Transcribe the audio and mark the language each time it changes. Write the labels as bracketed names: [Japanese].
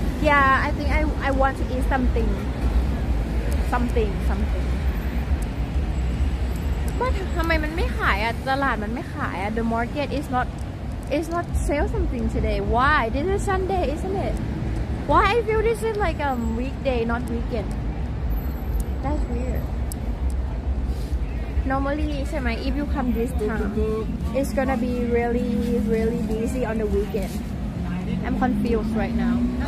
[English] Yeah, I think I want to eat something. Something, something. [Thai] But ทำไมมันไม่ขายอ่ะ ตลาดมันไม่ขายอ่ะ [English] The market is not, sell something today. Why? This is Sunday, isn't it? Why I feel this is like a weekday, not weekend. That's weird. Normally, Semai, if you come this time, it's gonna be really, really busy on the weekend. I'm confused right now.